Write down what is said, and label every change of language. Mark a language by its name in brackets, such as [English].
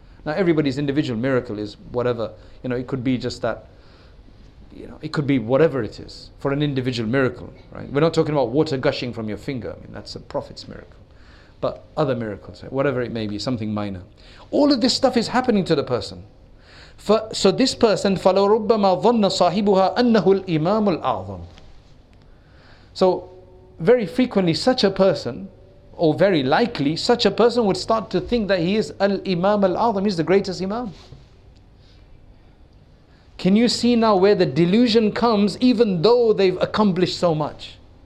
[English] Now, everybody's individual miracle is whatever. You know, it could be just that, you know, it could be whatever it is for an individual miracle, right? We're not talking about water gushing from your finger. I mean, that's a prophet's miracle. But other miracles, whatever it may be, something minor. All of this stuff is happening to the person. So this person, [Arabic] فَلَوْ رُبَّمَا ظَنَّ صَاحِبُهَا أَنَّهُ الْإِمَامُ الْأَعْظَمُ. [English] So very frequently such a person, or very likely such a person, would start to think that he is al-imam al-azam, he's the greatest imam. Can you see now where the delusion comes, even though they've accomplished so much?